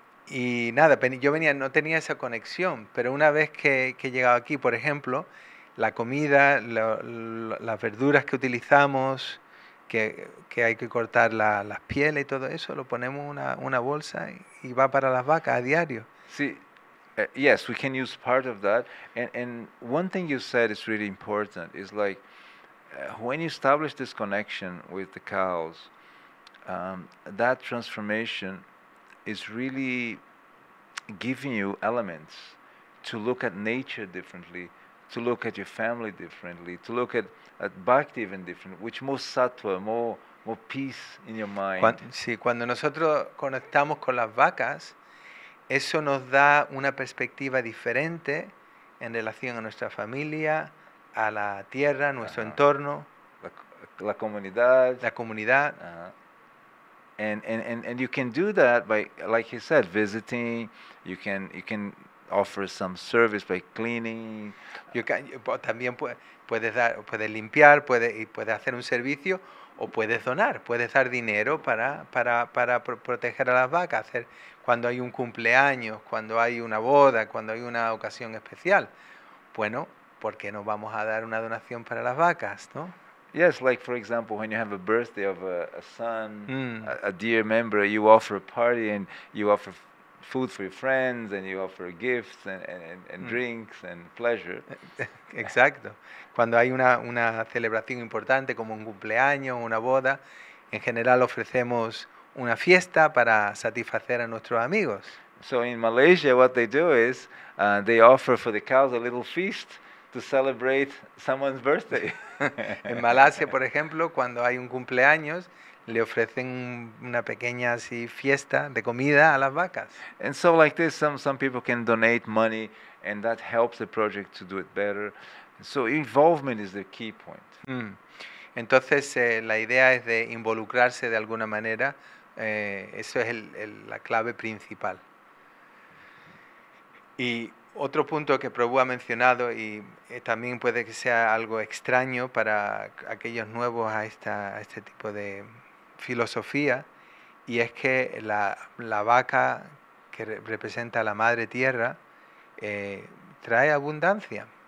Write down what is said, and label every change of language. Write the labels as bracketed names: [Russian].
[Spanish] Y nada, yo venía, no tenía esa conexión, pero una vez que he llegado aquí, por ejemplo, la comida, las verduras que utilizamos, que hay que cortar las pieles y todo eso, lo ponemos en una bolsa y va para las vacas a diario. [English] Sí. Yes, we can use part of that. And one thing you said is really important. It's like when you establish this connection with the cows, that transformation is really giving you elements to look at nature differently, to look at your family differently, to look at Bhakti even differently, which more sattva, more peace in your mind. [Spanish] Sí, cuando nosotros conectamos con las vacas, eso nos da una perspectiva diferente en relación a nuestra familia, a la tierra, a nuestro entorno, la comunidad. La comunidad. Uh-huh. [English] And you can do that by, like you said, visiting. You can offer some service by cleaning. [Spanish] También puedes limpiar, puedes hacer un servicio o puedes donar, puedes dar dinero para proteger a las vacas, hacer cuando hay un cumpleaños, cuando hay una boda, cuando hay una ocasión especial. Bueno, ¿por qué no vamos a dar una donación para las vacas, no? [English] Yes, like for example, when you have a birthday of a son, a dear member, you offer a party and you offer food for your friends and you offer gifts and drinks and pleasure. [Spanish] Exacto. Cuando hay una celebración importante como un cumpleaños o una boda, en general ofrecemos una fiesta para satisfacer a nuestros amigos. [English] So in Malaysia, what they do is they offer for the cows a little feast to celebrate someone's birthday. [Spanish] En Malasia, por ejemplo, cuando hay un cumpleaños, le ofrecen una pequeña así fiesta de comida a las vacas. [English] And so like this, some people can donate money and that helps the project to do it better. So involvement is the key point. [Spanish] Entonces, la idea es de involucrarse de alguna manera. Eso es la clave principal. Y otro punto que Prabhu ha mencionado, y también puede que sea algo extraño para aquellos nuevos a este tipo de filosofía, y es que la vaca que representa a la madre tierra trae abundancia.